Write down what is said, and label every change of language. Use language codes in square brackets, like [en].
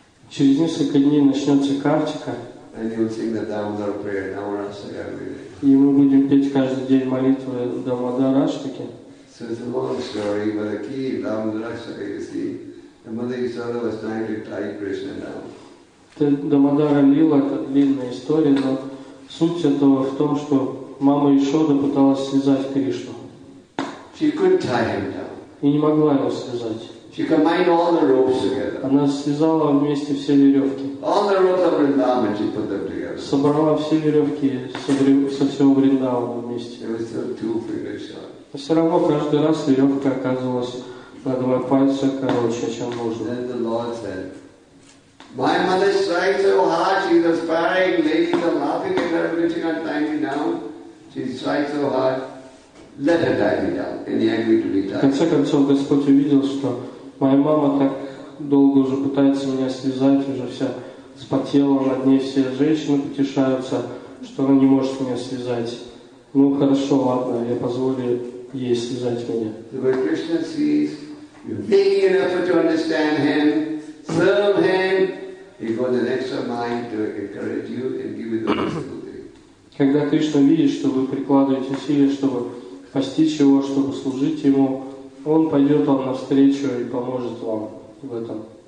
[ru] Через несколько дней начнется Картика. [en] And you'll sing the Damodar prayer, Damodarashtaka every day. [ru] И мы будем петь каждый день молитвы Дамодарашки. [en] So it's a long story, but the key in Дамодараштака, you see, the Mother Yasoda was trying to tie Krishna down. [ru] Это Дамодара Лила, это длинная история, но суть этого в том, что мама Ишода пыталась связать Кришну. [en] She couldn't tie him down. [ru] И не могла его связать. [en] She combined all the ropes together. [ru] Она связала вместе все веревки. [en] All the ropes of Vrindavan, she put them together. [ru] Собрала все веревки со всего Вриндавана вместе. [en] It was still two fingers short. [ru] Но все равно каждый раз веревка оказывалась на два пальца короче, чем нужно. [en] Then the Lord said, "My mother is trying so hard. She's aspiring. Ladies are laughing at her, but she can't tie me down. She's trying so hard." Let her tie me down, and he agreed to be tied. [ru] В конце концов, Господь увидел, что моя мама так долго уже пытается меня связать, уже вся вспотела, над ней все женщины потешаются, что она не может меня связать. Ну хорошо, ладно, я позволю ей связать меня. [en] The Krishna sees, making an effort to understand him, serve him, he goes an extra mile to encourage you and give you the wisdom. [ru] Когда Кришна видит, что вы прикладываете усилия, чтобы постичь его, чтобы служить ему, он пойдет вам навстречу и поможет вам в этом.